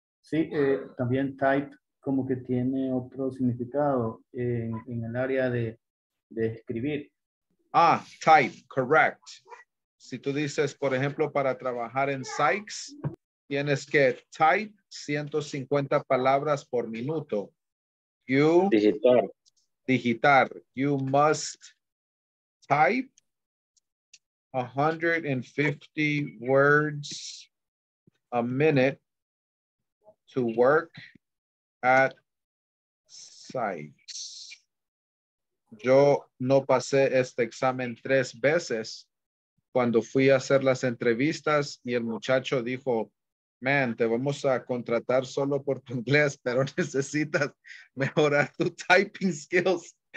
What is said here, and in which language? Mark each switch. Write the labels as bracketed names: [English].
[Spanish] Sí, también type como que tiene otro significado en el área de escribir. [English] Ah, type, correct. [Spanish] Si tú dices, por ejemplo, para trabajar en Sykes, tienes que type 150 palabras por minuto. Digitar. [English] You must type 150 words a minute to work at sites. [Spanish] Yo no pasé este examen tres veces cuando fui a hacer las entrevistas y el muchacho dijo, man, te vamos a contratar solo por tu inglés, pero necesitas mejorar tu [English] typing skills.